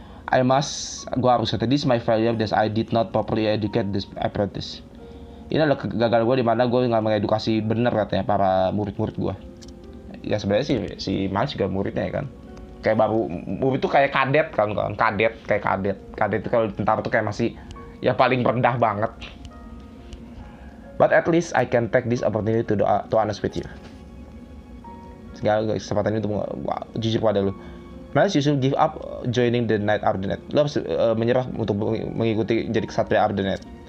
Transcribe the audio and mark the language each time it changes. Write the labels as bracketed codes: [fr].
[en] I must, [id] gue harus kata, [en] this is my failure that I did not properly educate this apprentice. [id] Ini adalah kegagalan gue di mana gue gak mengedukasi benar katanya para murid-murid gue. Ya sebenarnya sih, si Miles juga muridnya ya kan. Kayak baru, murid tuh kayak kadet kan, kadet tuh kalau tentara tuh kayak masih ya paling rendah banget. [en] But at least I can take this opportunity to to honest with you. [id] Segala kesempatan ini untuk jujur pada lu. [en] Miles, you should give up joining the Knight Ardennet. [id] Lu harus menyerah untuk mengikuti jadi kesatria Ardennet.